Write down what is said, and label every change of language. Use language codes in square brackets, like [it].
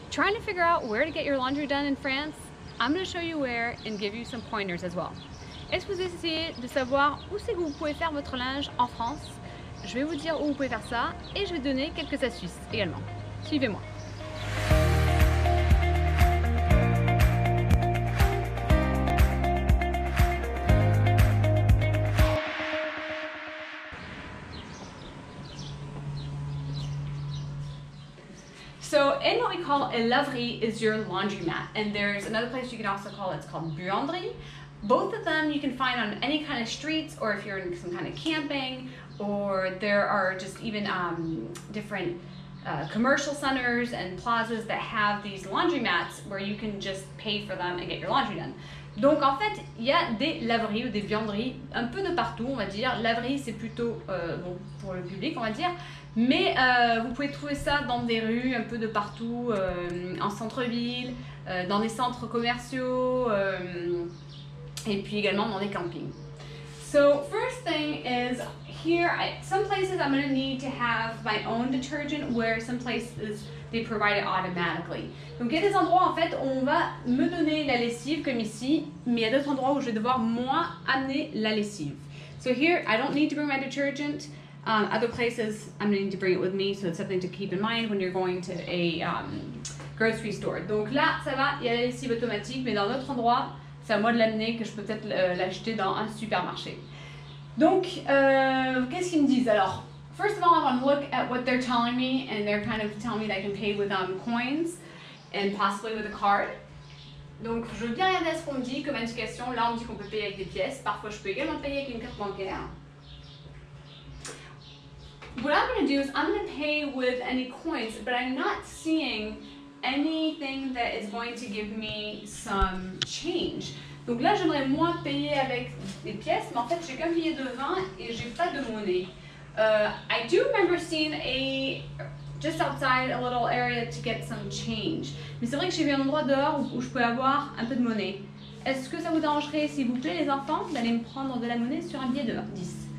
[en] trying to figure out where to get your laundry done in France, I'm going to show you where and give you some pointers as well. [fr] Est-ce que vous essayez de savoir où c'est que vous pouvez faire votre linge en France? Je vais vous dire où vous pouvez faire ça et je vais donner quelques astuces également. Suivez-moi. [en] So in what we call a laverie is your laundromat, and there's another place you can also call it, it's called buanderie. Both of them you can find on any kind of streets, or if you're in some kind of camping, or there are just even different commercial centers and plazas that have these laundromats where you can just pay for them and get your laundry done. [fr] Donc en fait, il y a des laveries ou des buanderies un peu de partout, on va dire. Laverie, c'est plutôt bon, pour le public, on va dire. Mais vous pouvez trouver ça dans des rues un peu de partout, en centre-ville, dans des centres commerciaux, et puis également dans des campings. [en] So, first thing is, here, some places I'm going to need to have my own detergent, where some places they provide it automatically. [fr] Donc, il y a des endroits, en fait, où on va me donner la lessive, comme ici, mais il y a d'autres endroits où je vais devoir, moi, amener la lessive. [en] So, here, I don't need to bring my detergent. Other places, I'm going to need to bring it with me, so it's something to keep in mind when you're going to a grocery store. [fr] Donc là, ça va, il y a la lessive automatique, mais dans d'autres endroits, c'est à moi de l'amener que je peux peut-être l'acheter dans un supermarché. Donc, qu'est-ce qu'ils me disent alors? [en] First of all, I want to look at what they're telling me, and they're kind of telling me that I can pay with coins and possibly with a card. [fr] Donc, je veux bien regarder ce qu'on me dit comme indication. Là, on me dit qu'on peut payer avec des pièces. Parfois, je peux également payer avec une carte bancaire. [en] What I'm going to do is I'm going to pay with any coins, but I'm not seeing anything that is going to give me some change. [fr] Donc là, j'aimerais moi payer avec des pièces, mais en fait, j'ai qu'un billet de 20 et j'ai pas de monnaie. [en] I do remember seeing a just outside a little area to get some change. [fr] Mais c'est vrai que j'ai vu un endroit dehors où je peux avoir un peu de monnaie. Est-ce que ça vous dérangerait, s'il vous plaît, les enfants, d'aller me prendre de la monnaie sur un billet de 20, 10?